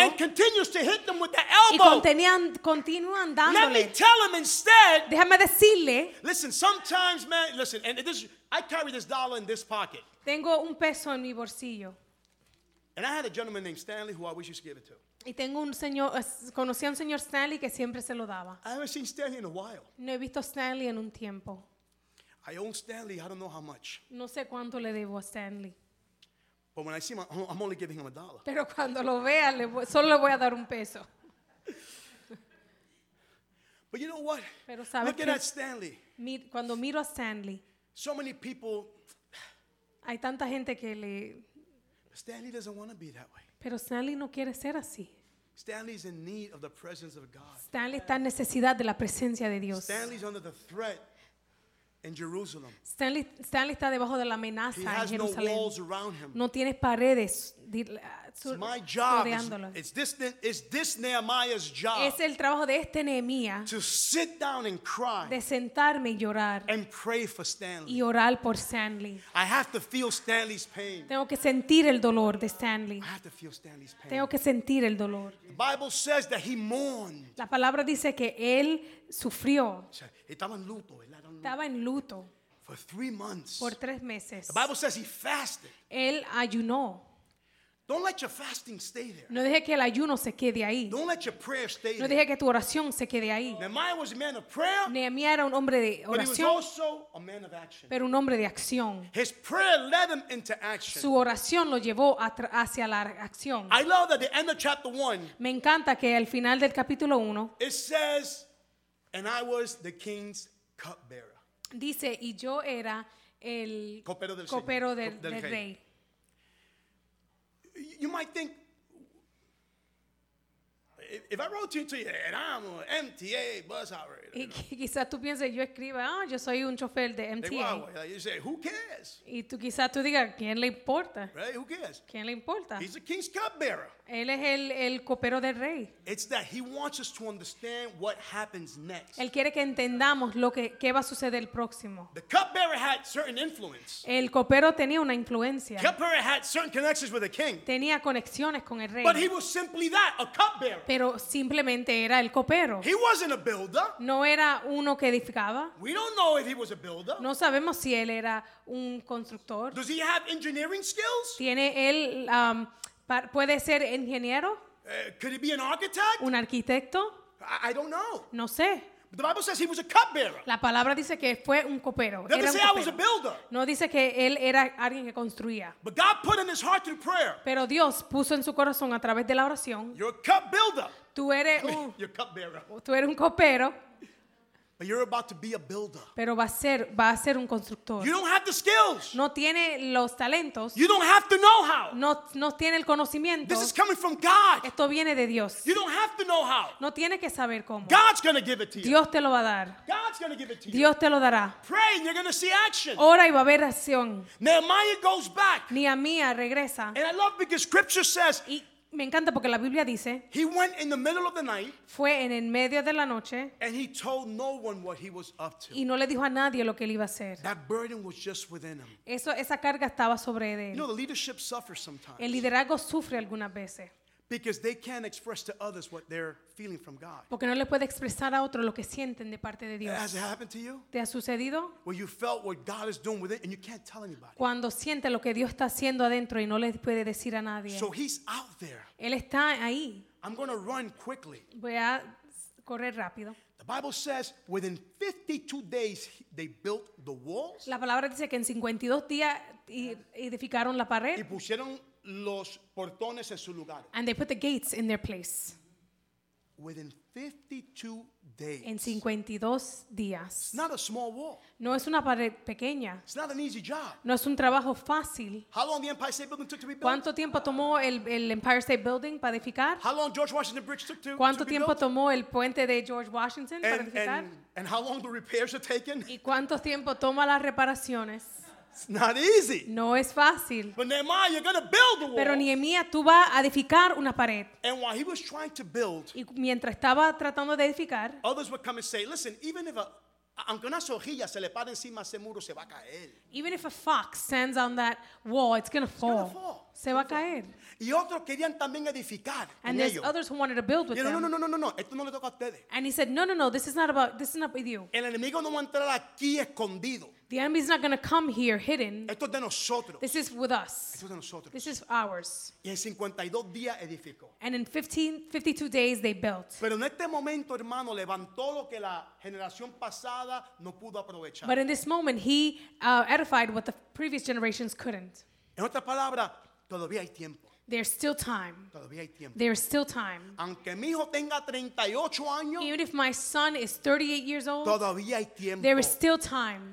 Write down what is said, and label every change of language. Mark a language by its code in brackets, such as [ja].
[en] And continues to hit them with the elbow. [es] Y continúan dándole. [en] Let me tell them instead. [es] Déjame decirle. [en] Listen, sometimes, man. Listen, and this, I carry this dollar in this pocket. [es] Tengo un peso en mi bolsillo. [en] And I had a gentleman named Stanley who I always used to give it to. [es] Y tengo un señor, conocí a un señor Stanley que siempre se lo daba. [en] I haven't seen Stanley in a while. [es] No he visto Stanley en un tiempo. [en] I own Stanley, I don't know how much. [es] No sé cuánto le debo a Stanley. [en] But when I see him, I'm only giving him a dollar. [es] Pero cuando lo vea, solo le voy a dar un peso. [en] But you know what? [es] Pero sabes [en] looking [es] que [en] at Stanley. [es] Cuando miro a Stanley. [en] So many people. [es] Hay tanta gente que le. [en] Stanley doesn't want to be that way. [es] Pero Stanley no quiere ser así. [en] Stanley's in need of the presence of God. [es] Stanley está en necesidad de la presencia de Dios. [en] Stanley's under the threat in Jerusalem. [es] Stanley está debajo de la amenaza en Jerusalén. [en] He has no walls around him. [es] No tiene paredes. [en] My job is this Nehemiah's job. [es] Es el trabajo de este Nehemiah. [en] To sit down and cry. [es] De sentarme y llorar. [en] And pray for Stanley. [es] Y orar por Stanley. [en] I have to feel Stanley's pain. [es] Tengo que sentir el dolor de Stanley. [en] I have to feel Stanley's pain. [es] Tengo que sentir el dolor. [en] The Bible says that he mourned. [es] La palabra dice que él sufrió. Estaba en luto. Estaba en luto. [en] For 3 months. [es] Por 3 meses. [en] The Bible says he fasted. [es] Él ayunó. [en] Don't let your fasting stay there. [es] No deje que el ayuno se quede ahí. [en] Don't let your prayer stay there. [es] No deje que tu oración se quede ahí. [en] Nehemiah was a man of prayer. [es] Nehemiah era un hombre de oración. [en] But he was also a man of action. [es] Pero un hombre de acción. [en] His prayer led him into action. [es] Su oración lo llevó hacia la acción. [en] I love that at the end of chapter 1. [es] Me encanta que al final del capítulo 1. [en] It says, and I was the king's cupbearer. [es] Dice, y yo era el copero del rey. [en] You might think, if I wrote to you, and I'm an MTA bus operator. [es] Y quizás tú pienses, yo escriba, ah, yo soy un chofer de MTA. [en] You say, who cares? [es] Y tú quizás tú digas, ¿quién le importa? [en] Right, who cares? [es] ¿Quién le importa? [en] He's a king's cupbearer. [es] Él es el copero del rey. [en] It's that he wants us to understand what happens next. [es] Él quiere que entendamos lo que qué va a suceder el próximo. [en] The cupbearer had certain influence. [es] El copero tenía una influencia. [en] The cupbearer had certain connections with the king. [es] Tenía conexiones con el rey. [en] But he was simply that, a cupbearer. [es] Pero simplemente era el copero. [en] He wasn't a builder. [es] No era uno que edificaba. [en] We don't know if he was a builder. [es] No sabemos si él era un constructor. [en] Does he have engineering skills? [es] Tiene él ¿Puede ser ingeniero? [en] Could he be an architect? [es] ¿Un arquitecto? [en] I don't know. [es] No sé. [en] But the Bible says he was a cupbearer. [es] La palabra dice que fue un copero. Era un [en] say [es] copero. [en] I was a builder. [es] No dice que él era alguien que construía. [en] But God put in his heart through prayer. [es] Pero Dios puso en su corazón a través de la oración. [en] You're a cup builder. [es] Tú eres [en] you're a cupbearer. [es] Tú eres un copero. [en] But you're about to be a builder. [es] Pero va a ser un constructor. [en] You don't have the skills. [es] No tiene los talentos. [en] You don't have the know-how. [es] No tiene el conocimiento. [en] This is coming from God. [es] Esto viene de Dios. [en] You don't have the know-how. [es] No tiene que saber cómo. [en] God's going to give it to you. [es] Dios te lo va a dar. [en] God's going to give it to you. [es] Dios te lo dará. [en] Pray and you're going to see action. [es] Ora y va a haber acción. [en] Nehemiah goes back. [es] Nehemiah regresa. [en] And I love because scripture says [es] Me encanta porque la Biblia dice [en] he went in the middle of the night, [es] fue en el medio de la noche [en] and he told no one what he was up to. [es] Y no le dijo a nadie lo que él iba a hacer. [en] That burden was just within him. [es] Esa carga estaba sobre él. [en] You know, the leadership suffers sometimes. [es] El liderazgo sufre algunas veces. [en] Because they can't express to others what they're feeling from God. [es] Porque no le puede expresar a otro lo que sienten de parte de Dios. [en] Has it happened to you? [es] ¿Te ha sucedido? [en] Where you felt what God is doing with it and you can't tell anybody. [es] Cuando siente lo que Dios está haciendo adentro y no le puede decir a nadie. [en] So he's out there. [es] Él está ahí. [en] I'm going to run quickly. [es] Voy a correr rápido. [en] The Bible says within 52 days they built the walls. [es] La palabra dice que en 52 días edificaron la pared. Y pusieron los portones en su lugar. [en] And they put the gates in their place. Within 52 days. [es] En 52 días. [en] It's not a small wall. [es] No es una pared pequeña. [en] It's not an easy job. [es] No es un trabajo fácil. [en] How long the Empire State Building took to be built? [es] ¿Cuánto tiempo tomó el Empire State Building para edificar? [en] How long George Washington Bridge took to be [es] ¿Cuánto tiempo tomó el puente de George Washington para edificar? [en] And how long the repairs are taken? [es] ¿Y cuánto tiempo toma las reparaciones? [en] It's not easy. [es] No es fácil. [en] But Nehemiah, you're going to build the wall. [es] Pero Nehemiah, tú vas a edificar una pared. [en] And while he was trying to build, [es] y mientras estaba tratando de edificar, [en] others would come and say, listen, even if [es] aunque una sojilla se le pare encima a ese muro, se va a caer. [en] Even if a fox stands on that wall, it's going to fall. It's going to fall. [es] Se va a caer. Y otros querían también edificar. [en] And there's others who wanted to build with them. [es] No, esto no le toca a ustedes. [en] And he said, no, this is not with you. [es] El enemigo no va a entrar aquí escondido. [en] The enemy is not going to come here hidden. [es] Esto es de nosotros. [en] This is with us. [es] Esto es de nosotros. [en] This is ours. [es] Y en 52 días edificó. [en] And in 52 days they built. [es] Pero en este momento, hermano, levantó lo que la generación pasada no pudo aprovechar. [en] But in this moment he edified what the previous generations couldn't. [es] En otras palabras, todavía hay tiempo. [en] There's still time. [es] Todavía hay tiempo. [en] There's still time. [es] Aunque mi hijo tenga 38 años, [en] even if my son is 38 years old, [es] todavía hay tiempo. [en] There is still time.